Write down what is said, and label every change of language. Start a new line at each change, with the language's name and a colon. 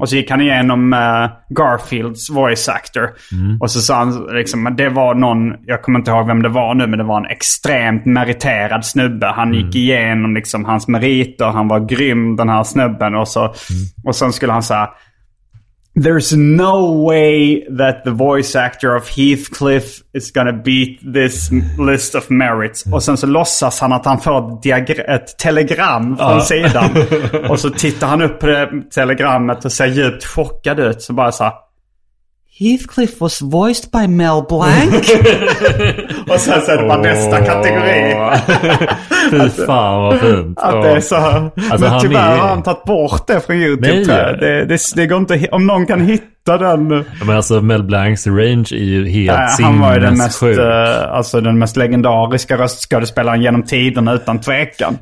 Swedish: Och så gick han igenom Garfields voice actor. Mm. Och så sa han liksom, det var någon, jag kommer inte ihåg vem det var nu, men det var en extremt meriterad snubbe. Han gick igenom liksom hans meriter, han var grym den här snubben. Och, så, och sen skulle han säga...
English: There's no way that the voice actor of Heathcliff is gonna beat this list of merits.
Swedish: Och sen så låtsas han att han får ett telegram från sidan. Och så tittar han upp på det telegrammet och ser djupt chockad ut. Så bara så här,
English: Heathcliff was voiced by Mel Blanc.
Swedish: Och sen så är det bara nästa kategori. Fy fan vad fint. Att det är så. Alltså, men tyvärr har han tagit bort det från YouTube. Nej, det går inte, om någon kan hitta den. Ja, men alltså Mel Blancs range är ju helt sinnessjuk. Han var ju den mest legendariska röstskådespelaren genom tiden utan tvekan.